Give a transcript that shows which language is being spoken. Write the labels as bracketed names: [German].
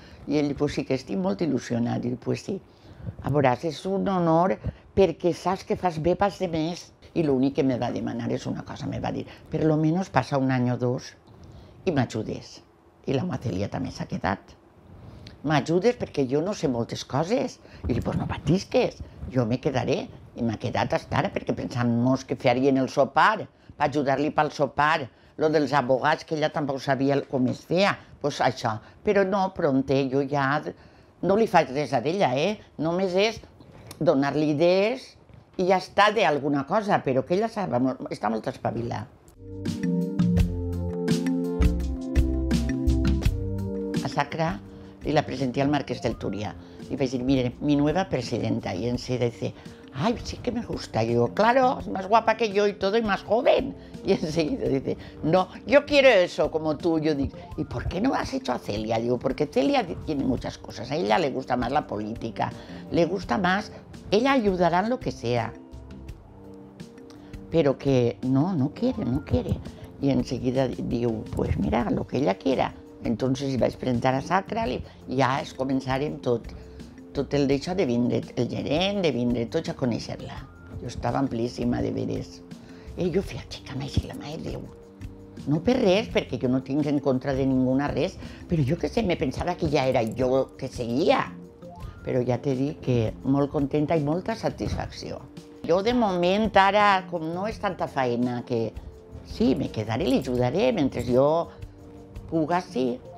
[Catalan] I ell: pues sí, que estic molt il·lusionat. Diu: pues sí, a veure, és un honor, perquè saps que fas bé pas de més. I l'únic que me va demanar és una cosa, me va dir: per lo menos passa un any o dos i m'ajudes. I la Matèlia també s'ha quedat. M'ajudes, perquè jo no sé moltes coses. I li: pues no patisques, jo me quedaré. I m'ha quedat fins ara, perquè pensant-nos que farien el sopar, per ajudar-li pel sopar, lo dels abogats, que ella tampoc sabia com es feia, pues això. Però no, pronte, jo ja no li faig res a ella, eh? Només és donar-li idees i ja està d'alguna cosa, però que ella sabe, està molt espavilada. Sacra, i [Spanish] la presenté [Catalan] al marquès del Túria. I vaig dir: [Spanish] mire, mi nueva presidenta. I en se dice: ay, sí que me gusta. I jo: claro, es más guapa que yo y todo, y más joven. I en seguida dice: no, yo quiero eso, como tú. Yo digo: ¿y por qué no has hecho a Celia? Digo: porque Celia tiene muchas cosas. A ella le gusta más la política, le gusta más... Ella ayudará en lo que sea. Pero que no, no quiere, no quiere. [Catalan] I en seguida diu: [Spanish] pues mira, lo que ella quiera. [Catalan] Entonces hi vaig presentar a Sacra i ja es començarem tot el d'això de vindre, el gerent, de vindre tots a conèixer-la. Jo estava amplíssima de veres. I jo feia: xica, mai, la mare de Déu. No per res, perquè jo no tinc en contra de ningú res, però jo que sé, me pensava que ja era jo que seguia. Però ja t'he dit que molt contenta i molta satisfacció. Jo de moment ara, com no és tanta feina, que sí, me quedaré, li ajudaré, mentre jo... Puga, sí.